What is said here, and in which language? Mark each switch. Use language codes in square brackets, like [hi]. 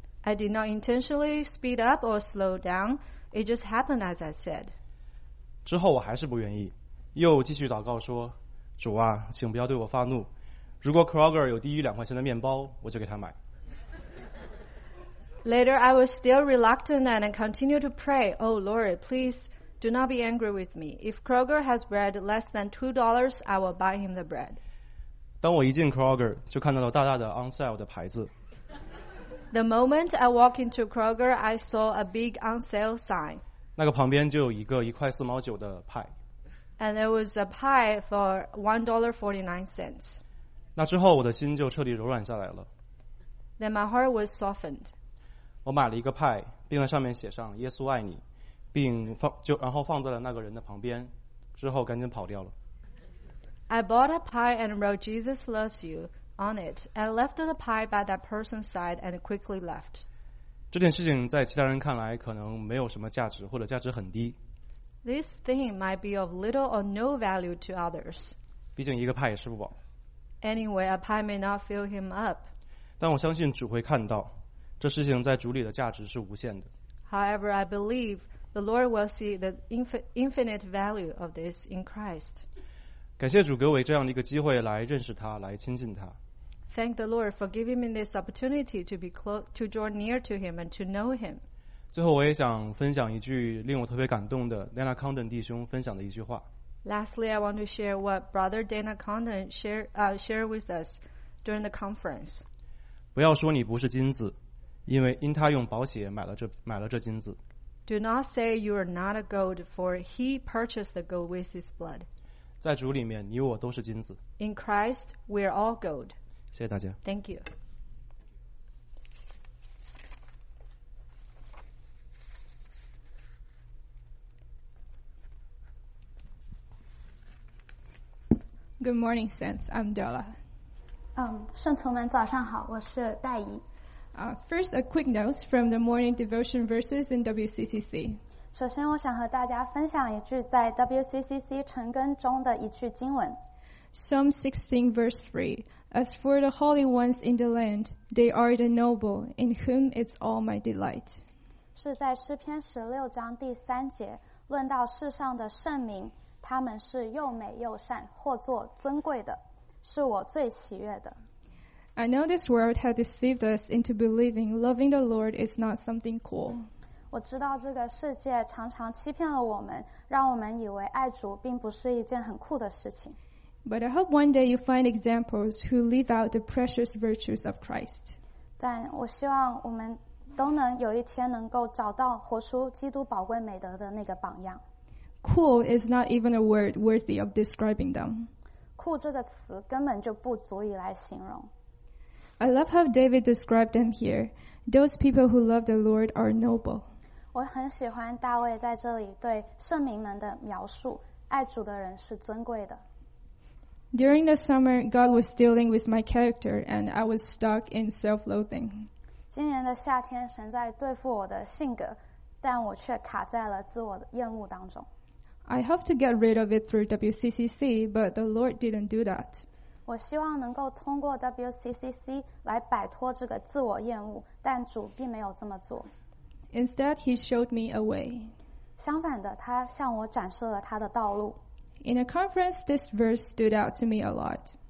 [en] I did not intentionally speed up or slow down. It just happened as I said. [zh] 之后我还是不愿意，又继续祷告说：“主啊，请不要对我发怒。如果 Kroger 有低于两块钱的面包，我就给他买。” [en] Later, I was still reluctant and I continued to pray. Oh Lord, please do not be angry with me. If Kroger has bread less than $2, I will buy him the bread. [zh] 当我一进 Kroger, 就看到了大大的 on sale 的牌子。 [en] The moment I walked into Kroger, I saw a big on sale sign. [zh] 那个旁边就有一个1.49块的派。 [en] And there was a pie for $1.49. [zh] 那之后我的心就彻底柔软下来了。 [en] Then my heart was softened. [zh] 我买了一个派，并在上面写上耶稣爱你，然后放在了那个人的旁边，之后赶紧跑掉了。 [en] I bought a pie and wrote Jesus loves you. On it, and left the pie by that person's side and quickly left. [zh] 这件事情在其他人看来可能没有什么价值，或者价值很低。 [en] This thing might be of little or no value to others. [zh] 毕竟一个派也吃不饱。 [en] Anyway, a pie may not fill him up. [zh] 但我相信主会看到，这事情在主里的价值是无限的。 [en] However, I believe the Lord will see the infinite value of this in Christ. [zh] 感谢主给我这样的一个机会来认识他，来亲近他。 [en] Thank the Lord for giving me this opportunity to be close, to draw near to Him and to know Him. [zh] 最后，我也想分享一句令我特别感动的 Dana Condon 弟兄分享的一句话。 [en] Lastly, I want to share what Brother Dana Condon shared with us during the conference. [zh] 不要说你不是金子，因他用宝血买了这金子。 [en] Do not say you are not a gold, for He purchased the gold with His blood. [zh] 在主里面，你我都是金子。 [en] In Christ, we are all gold. [zh] 谢谢大家。 [en] Thank you. Good morning, Saints. I'm Della. [zh] 圣徒们早上好，我是戴怡。 [en] First, a quick note from the morning devotion verses in WCCC. [zh] 首先我想和大家分享一句在 WCCC 晨更中的一句经文。 [en] Psalm 16 verse 3 As for the holy ones in the land, they are the noble, in whom is all my delight. [zh] 是在诗篇16章第三节，论到世上的圣民，他们是又美又善，或作尊贵的，是我最喜悦的。 [en] I know this world has deceived us into believing loving the Lord is not something cool. [zh] 我知道这个世界常常欺骗了我们，让我们以为爱主并不是一件很酷的事情。 [en] But I hope one day you find examples who live out the precious virtues of Christ. [zh] 但我希望我们都能有一天能够找到活出基督宝贵美德的那个榜样。 [en] Cool is not even a word worthy of describing them. [zh] 酷这个词根本就不足以来形容。 [en] I love how David described them here. Those people who love the Lord are noble. [zh] 我很喜欢大卫在这里对圣民们的描述，爱主的人是尊贵的。 [en] During the summer, God was dealing with my character, and I was stuck in self-loathing. [zh] 今年的夏天，神在对付我的性格，但我却卡在了自我厌恶当中。 [en] I hope to get rid of it through WCCC, but the Lord didn't do that. [zh] 我希望能够通过 WCCC 来摆脱这个自我厌恶，但主并没有这么做。 [en] Instead, he showed me a way. [zh] 相反的，他向我展示了他的道路。 [en] In a conference, this verse stood out to me a lot.